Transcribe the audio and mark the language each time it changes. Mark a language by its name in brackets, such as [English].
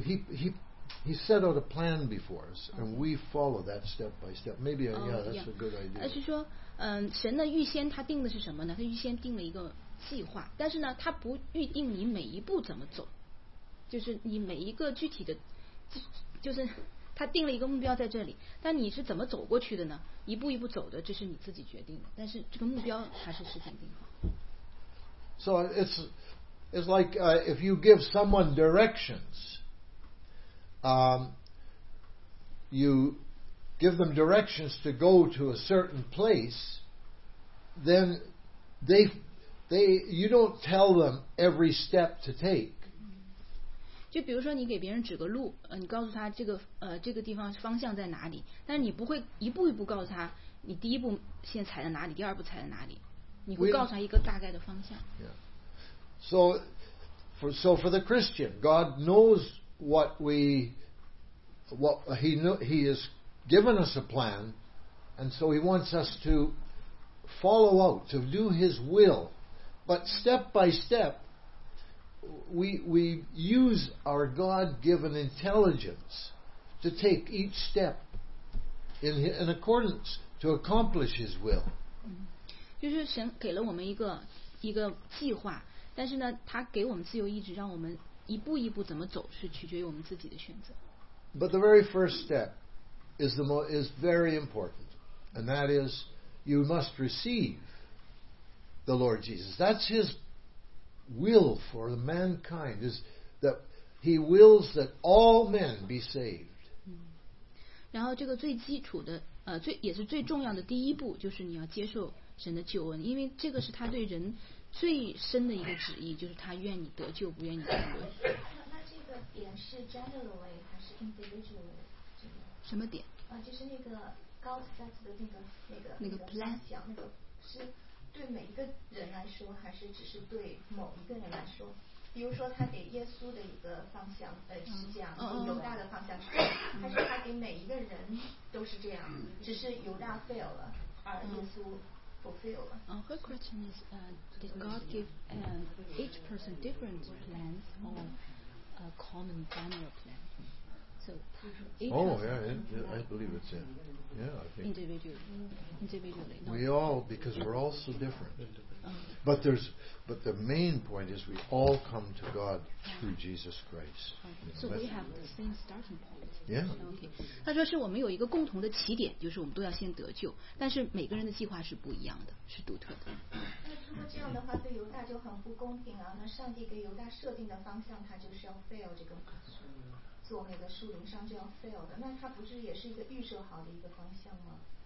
[English] He set out a plan before us, and we follow that step by step. Maybe that's a good idea. [Chinese] 是说，神呢预先他定的是什么呢？他预先定了一个计划，但是呢，他不预定你每一步怎么走，就是你每一个具体的，就是。他定了一个目标在这里，但你是怎么走过去的呢？一步一步走的，这是你自己决定的。但是这个目标还是事先定好。 [English] So it's like if you give someone directions, you give them directions to go to a certain place, then they you don't tell them every step to take. [Chinese] 就比如说你给别人指个路你告诉他这个地方方向在哪里但是你不会一步一步告诉他你第一步先踩在哪里第二步踩在哪里你会告诉他一个大概的方向 [English] So for the Christian God knows he has given us a plan and so he wants us to follow out to do his will but step by stepWe use our God-given intelligence to take each step in accordance to accomplish His will. [Chinese] 就是神给了我们一个计划，但是呢，他给我们自由意志，让我们一步一步怎么走，是取决于我们自己的选择。 [English] But the very first step is very important, and that is you must receive the Lord Jesus. That's His. Will for mankind is that he wills that all men be saved. [Chinese] 然后这个最基础的最也是最重要的第一步就是你要接受神的救恩，因为这个是他对人最深的一个旨意，就是他愿你得救，不愿你沦。那这个点是 generally 还是 individually 什么点？就是那个 [English] God set [Chinese] 的那个 [English] plan [Chinese] 讲那个是。对每一个人来说还是只是对某一个人来说比如说他给耶稣的一个方向是这样犹大的方向是这样还是他给每一个人都是这样只是犹大 fail 了而耶稣 fulfill 了 [English] Her question is did God give each person different plans or a common general plan so I believe it's inIndividually. We all, because we're all so different. But the main point is we all come to God through Jesus Christ. So we have the same starting point. Yeah. [Chinese] Okay. 他说是我们有一个共同的起点，就是我们都要先得救。但是每个人的计划是不一样的，是独特的。那如果这样的话，对犹大就很不公平啊！那上帝给犹大设定的方向，他就是要 fail 这个。做那个树林上就要 fail 的，那他不是也是一个预设好的一个方向吗？